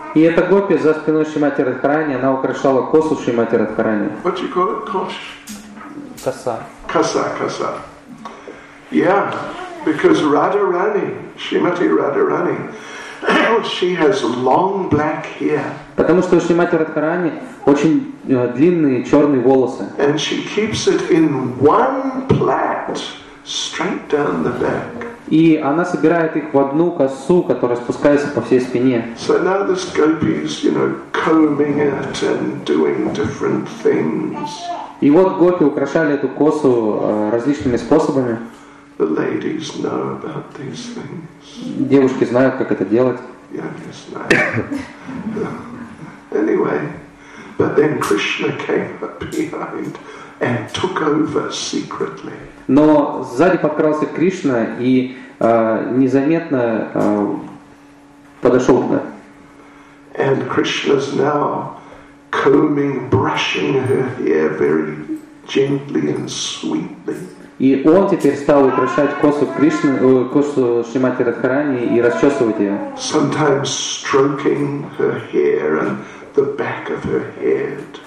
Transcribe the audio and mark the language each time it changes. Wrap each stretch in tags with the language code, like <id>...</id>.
<ru>И эта гопи за спиной Шримати Радхарани, она украшала косу Шримати Радхарани.</ru> <en>What you call it? Kosh.</en> <ru>Коса. Коса.</ru> <en>Yeah, because Radharani, Shrimati Radharani, she has long black hair.</en> <ru>Потому что у Шримати Радхарани очень длинные черные волосы.</ru> <en>And she keeps it in one plait straight down the back.</en> <ru>И она собирает их в одну косу, которая спускается по всей спине.</ru> <en>So now this gopi is, you know, combing it and doing different things.</en> <ru>И вот гопи украшали эту косу различными способами.</ru> <en>The ladies know about these things.</en> <ru>Девушки знают, как это делать.</ru> <en>Yes, anyway, but then Krishna came up behind and took over secretly.</en> <ru>Но сзади подкрался Кришна и незаметно подошел к ней.</ru> <en>And Krishna's now combing, brushing her hair very gently and sweetly.</en> <ru>И он теперь стал украшать косу Кришны, косу Шримати Радхарани и расчесывать ее.</ru> <en>Sometimes stroking her hair and the back of her head.</en>